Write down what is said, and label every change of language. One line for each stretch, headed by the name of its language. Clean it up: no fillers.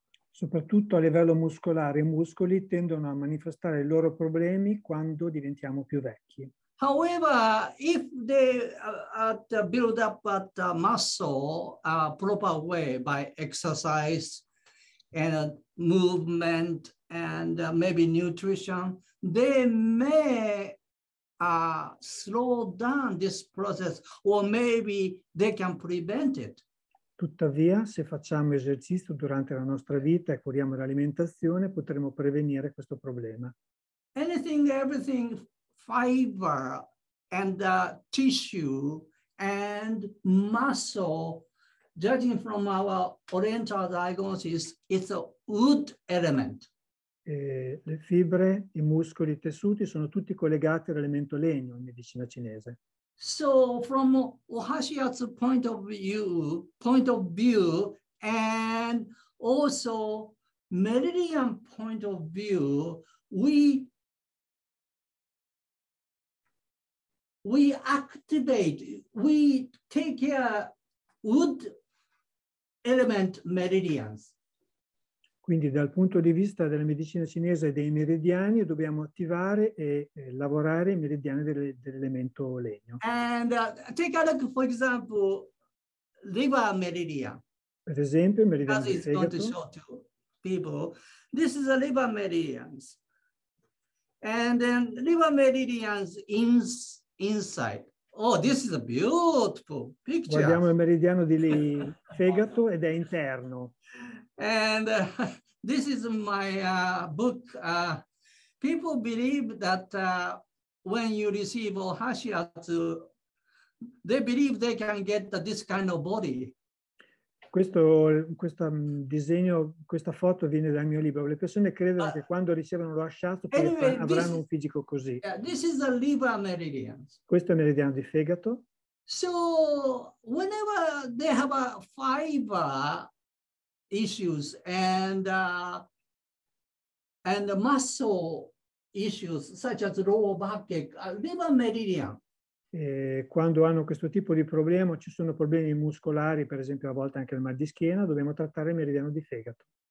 Italian: Soprattutto a livello muscolare, i muscoli tendono a manifestare i loro problemi quando diventiamo più vecchi.
English: However, if they build up that muscle proper way by exercise and movement and maybe nutrition, they may slow down this process or maybe they can prevent it.
Italian: Tuttavia, se facciamo esercizio durante la nostra vita e curiamo l'alimentazione, potremo prevenire questo problema.
English: Anything, everything. Fiber and tissue and muscle, judging from our oriental diagnosis, it's a wood element.
Italian: Le fibre, i muscoli, i tessuti sono tutti collegati all'elemento legno in medicina cinese.
English: So from Oashiatsu point of view and also meridian point of view, we activate, we take care wood element meridians.
Italian: Quindi dal punto di vista della medicina cinese dei meridiani dobbiamo attivare e lavorare i meridiani dell'elemento legno.
English: And take a look, for example, liver meridian.
Italian: Per esempio, il meridiano del fegato.
English: Because it's not to show to people. This is a liver meridians. And then liver meridians inside. Oh, this is a beautiful picture.
Italian: Guardiamo il meridiano di lì, fegato, ed è interno.
English: And this is my book. People believe that when you receive Oashiatsu, they believe they can get this kind of body.
Italian: Questo disegno, questa foto viene dal mio libro. Le persone credono che quando ricevono lo asciatto avranno un fisico così.
English: This is the liver meridian.
Italian: Questo è il meridiano di fegato.
English: So whenever they have a fiber issues and muscle issues such as lower back, liver meridian.
Italian: Quando hanno questo tipo di problema, ci sono problemi muscolari, per esempio a volte anche il mal di schiena, dobbiamo trattare il meridiano di fegato.